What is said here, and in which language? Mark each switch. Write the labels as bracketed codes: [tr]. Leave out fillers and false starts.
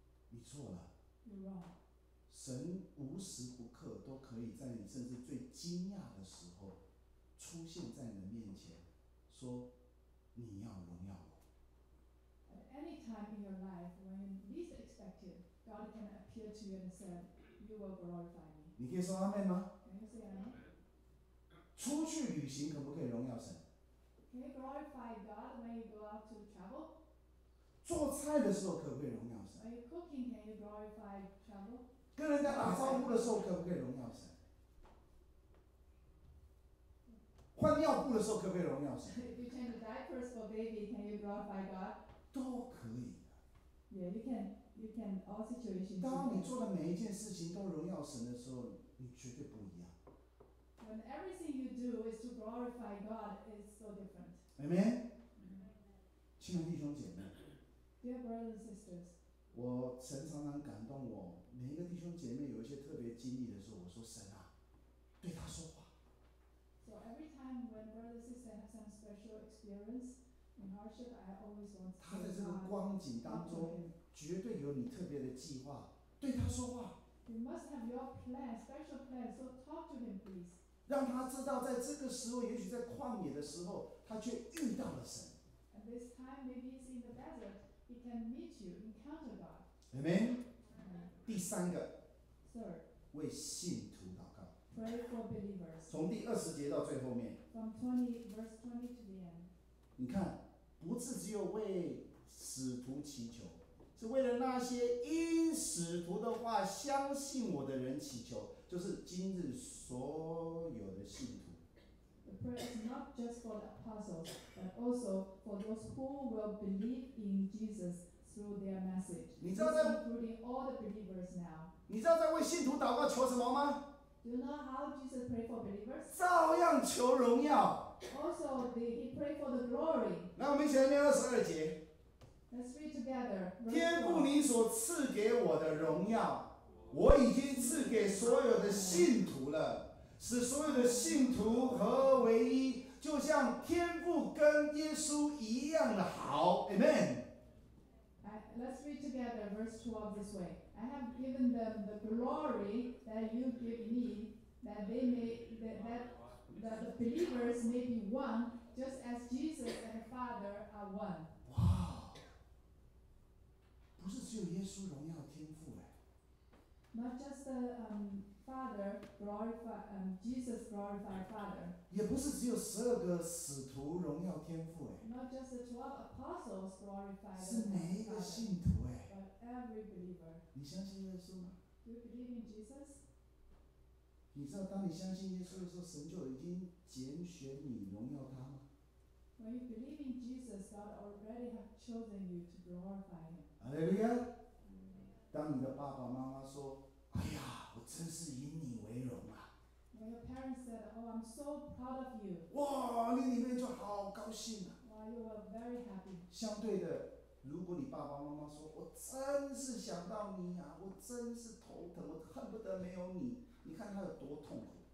[zh] 你错了。神无时不刻都可以在你甚至最惊讶的时候出现在你的面前，说你要荣耀我。 [en] Any time in your life when you least expect it, God can appear to you and say, "You will glorify me." [zh] 你可以说阿门吗？ [en] Can you say amen? [zh] 出去旅行可不可以荣耀神？ [en] Can you glorify God when you go out to travel? [zh] 做菜的时候可不可以荣耀神？ [en] Are you cooking? Can you glorify travel? [zh] 跟人家打招呼的时候可不可以荣耀神？换尿布的时候可不可以荣耀神？ [en] If you change the diapers for baby, can you glorify God? [zh] 都可以的。 [en] Yeah, you can all situations. [zh] 当你做的每一件事情都荣耀神的时候，你绝对不一样。 [en] When everything you do is to glorify God, it's so different. [zh] Amen. 亲爱的弟兄姐妹。 [en] Dear brothers and sisters. [zh] 我神常常感动我，每一个弟兄姐妹有一些特别经历的时候，我说神啊，对他说话。 [en] So every time when brothers and sisters have some special experience. [zh] 他在这个光景当中，绝对有你特别的计划，对他说话。 [en] You must have your plan, special plan. So talk to him, please. [zh] 让他知道，在这个时候，也许在旷野的时候，他却遇到了神。 [en] And this time, maybe he's in the desert. He can meet you, encounter God. [zh] Amen. 第三个。 [en] Sir. [zh] 为信徒祷告。 [en] Pray for believers. [zh] 从第二十节到最后面。 [en] From 20 verse 20 to the end. [zh] 你看，不是只有为使徒祈求，是为了那些因使徒的话相信我的人祈求，就是今日所有的信徒。 [en] The prayer is not just for the apostles, but also for those who will believe in Jesus through their message. [zh] 你知道在 [en] including all the believers now. [zh] 你知道在为信徒祷告求什么吗？ [en] Do you know how Jesus prayed for believers? [zh] 照样求荣耀。 [en] Also, he prayed for the glory. [zh] 来，我们一起来念二十二节。 [en] Let's read together. [zh] 天父，你所赐给我的荣耀，我已经赐给所有的信徒了，使所有的信徒合为一，就像天父跟耶稣一样的好。 [en] Amen. Let's read together, verse 12 this way. I have given them the glory that you give me, that the believers may be one, just as Jesus and the Father are one. Wow! [zh] 不是只有耶稣荣耀天父哎。 [en] Not just the Father glorify Jesus glorified Father. [zh] 也不是只有十二个使徒荣耀天父哎。 [en] Not just the 12 apostles glorified. [zh] 是每一个信徒哎。 [en] But every believer. [zh] 你相信耶稣吗？ [en] Do you believe in Jesus? [zh] 你知道当你相信耶稣的时候，神就已经拣选你荣耀他吗？ [en] When you believe God already have chosen you to glorify him. Hallelujah. [zh] 当你的爸爸妈妈说，哎呀，我真是以你为荣啊。 [en] When your parents said, oh, I'm so proud of you. [zh] 哇，你里面就好高兴啊。 [en] Wow, you were very happy. [zh] 相对的，如果你爸爸妈妈说，我真是想到你啊，我真是头疼，我恨不得没有你，你看他有多痛苦。